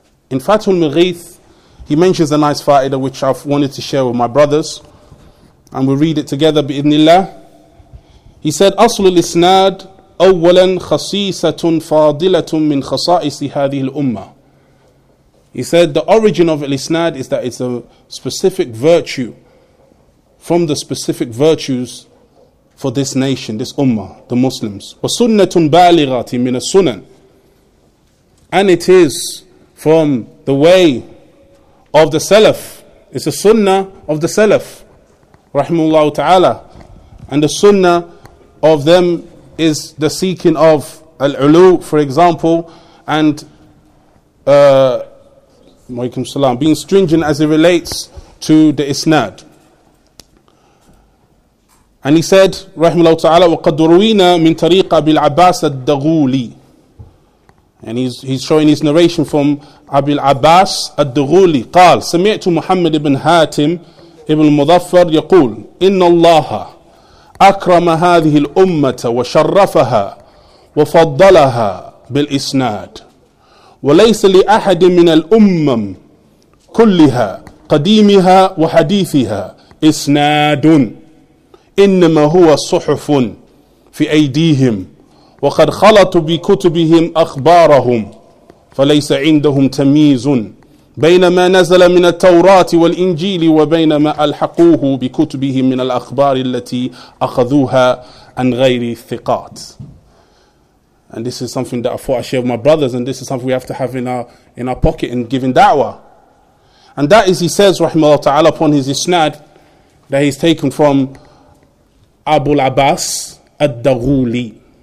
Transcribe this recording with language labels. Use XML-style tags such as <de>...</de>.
<en>In Fath al-Mughith, he mentions a nice fa'idah which I've wanted to share with my brothers, and we'll read it together bi idnillah. He said,</en> <ar>أصل الإسناد أولا خصيصة فاضلة من خصائص هذه الأمة.</ar> <en>He said, the origin of الإسناد is that it's a specific virtue from the specific virtues for this nation, this Ummah, the Muslims.</en> <ar>وسنة بالغة من السنن.</ar> <en>And it is from the way of the Salaf. It's a Sunnah of the Salaf,</en> <ar>رحمه الله تعالى.</ar> <en>And the Sunnah of them is the seeking of al-ulu, for example, and waikum salam, being stringent as it relates to the isnad. And he said, rahimahullah ta'ala,</en> <ar>وَقَدْ رُوِينَا مِنْ تَرِيقَ أَبِي الْعَبَّاسَ الدَّغُولِ.</ar> <en>And he's showing his narration from Abil Abbas الدَّغُولِ.</en> <ar>قَالْ سَمِعْتُ مُحَمَّدِ ibn Hatim ibn Mudaffar يَقُولْ إِنَّ اللَّهَ أكرم هذه الأمة وشرفها وفضلها بالإسناد وليس لأحد من الأمم كلها قديمها وحديثها إسناد إنما هو صحف في أيديهم وقد خلطوا بكتبهم أخبارهم فليس عندهم تمييز بين ما نزل من التوراة والإنجيل وبين ما ألحقوه بكتبهم من الأخبار التي أخذوها عن غير الثقات.</ar> <en>And this is something that I thought I shared with my brothers, and this is something we have to have in our pocket in giving da'wah. And that is, he says, rahimahullah ta'ala, upon his isnad, that he's taken from Abu al-Abbas al-Daghuli.</en>